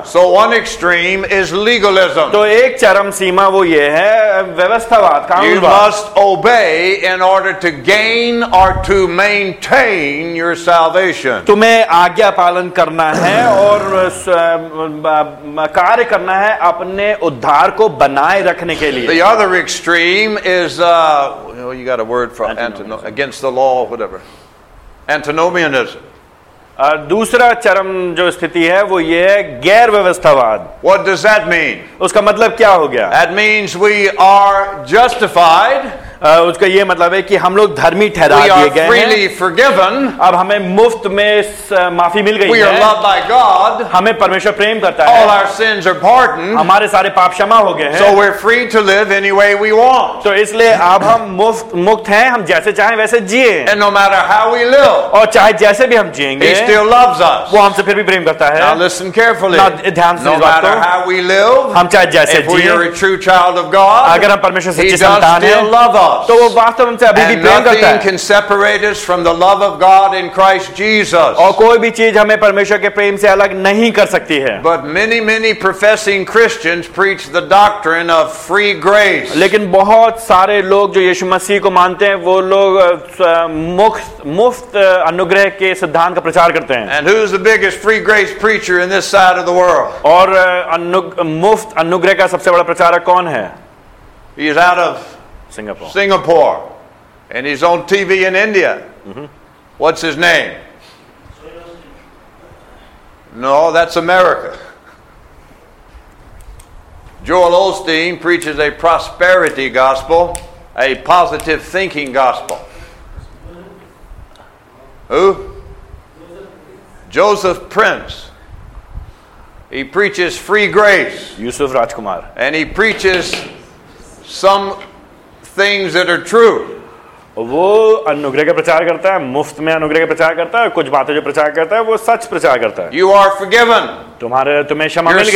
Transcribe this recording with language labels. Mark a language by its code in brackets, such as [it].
[en] So one extreme is legalism. [hi] तो एक चरम सीमा वो ये है व्यवस्थावाद कानूनवाद. [en] In order to gain or to maintain your salvation. [hi] तुम्हें आज्ञा पालन करना है और कार्य करना है अपने उद्धार को बनाए रखने के लिए. [en] The other extreme is, you got a word for antinomianism. Against the law, whatever. Antinomianism. [hi] दूसरा चरम जो स्थिति है वो ये है गैर व्यवस्थावाद. [en] What does that mean? [hi] उसका मतलब क्या हो गया? [en] That means we are justified. [hi] उसका ये मतलब है कि हम लोग धर्मी ठहरा दिए गए हैं. अब हमें मुफ्त में माफी मिल गई है. [en] We are loved by God. [hi] हमें परमेश्वर प्रेम करता [en] All [hi] है. [en] Our sins are pardoned. [hi] हमारे सारे पाप क्षमा हो गए हैं. [en] So we're free to live any way we want. [hi] तो इसलिए अब हम मुक्त हैं. हम जैसे चाहें वैसे जिए. [en] And no matter how we live. [hi] और चाहे जैसे भी हम जिएंगे. [en] He still loves us. [hi] वो हमसे फिर भी प्रेम करता है. [en] Now listen carefully. [hi] ध्यान से [en] no matter how we live. [hi] हम चाहे जैसे जिए. [en] If we are a true child of God. [hi] अगर हम परमेश्वर सच्चे संतान हैं. तो वो वास्तव में अभी भी प्रेम करता है. [en] And nothing can separate us from the love of God in Christ Jesus. [hi] और कोई भी चीज हमें परमेश्वर के प्रेम से अलग नहीं कर सकती है. [en] But many, many professing Christians preach the doctrine of free grace. [hi] लेकिन बहुत सारे लोग जो यीशु मसीह को मानते हैं वो लोग मुफ्त अनुग्रह के सिद्धांत का प्रचार करते हैं. [en] And who's the biggest free grace preacher in this side of the world? [hi] और मुफ्त अनुग्रह का सबसे बड़ा प्रचारक कौन है? [en] He is out of Singapore, and he's on TV in India. Mm-hmm. What's his name? No, that's America. Joel Osteen preaches a prosperity gospel, a positive thinking gospel. Who? Joseph Prince. He preaches free grace. Yusuf Rajkumar. And he preaches some things that are true. [hi] वो अनुग्रह का प्रचार करता है, मुफ्त में अनुग्रह का प्रचार करता है, कुछ बातें जो प्रचार करता है वो सच प्रचार करता है। [en] You are forgiven. [hi] तुम्हारे तुम्हें क्षमा मिल गई